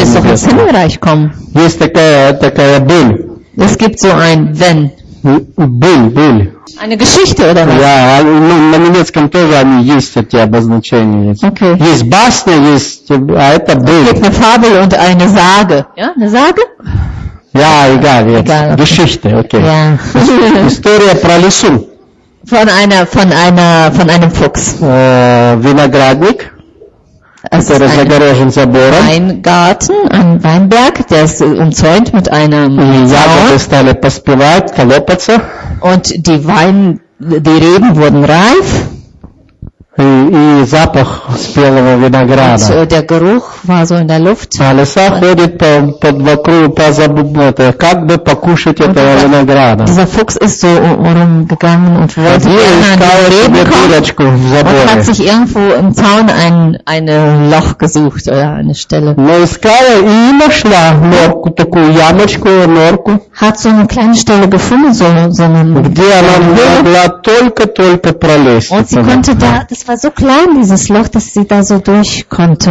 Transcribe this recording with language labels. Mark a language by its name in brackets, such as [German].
[German] Небесное. Du willst doch ins Himmelreich kommen. [Russian] Есть такая боль. [German] Es gibt so ein wenn. [Russian] Боль. [German] Eine Geschichte, oder was? [Russian] Ja, ну, на немецком тоже они есть эти обозначения. Есть, [German] okay. [Russian] Есть басня, есть, а это Bild. [German] Eine Fabel und eine Sage. Ja, eine Sage? Ja, egal, jetzt. Egal, okay. Geschichte, okay. Ja. [Russian] История про лису. [German] Von einem Fuchs. [Russian] Виноградник. [German] Es ist ein Garten, ein Weinberg, der ist umzäunt mit einem Zaun. Und die Reben wurden reif. Und der Geruch war so in der Luft. [Russian] А лиса ходит как бы покушать этого винограда. [German] Dieser Fuchs ist so rumgegangen und wollte und hat sich irgendwo im Zaun ein Loch gesucht oder eine Stelle. Hat so eine kleine Stelle gefunden, und sie konnte da, das war so klein, dieses Loch, dass sie da so durch konnte.